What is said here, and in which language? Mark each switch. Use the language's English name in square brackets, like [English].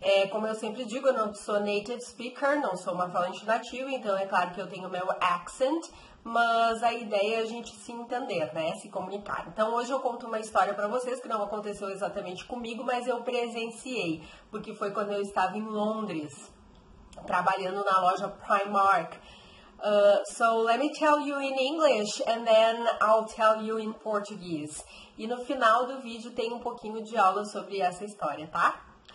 [Portuguese] Como eu sempre digo, eu não sou native speaker, não sou uma falante nativa, então é claro que eu tenho meu accent, mas a ideia é a gente se entender, né? Se comunicar. Então hoje eu conto uma história para vocês que não aconteceu exatamente comigo, mas eu presenciei, porque foi quando eu estava em Londres, trabalhando na loja Primark. [English] So let me tell you in English and then I'll tell you in Portuguese. [Portuguese] E no final do vídeo tem um pouquinho de aula sobre essa história, tá?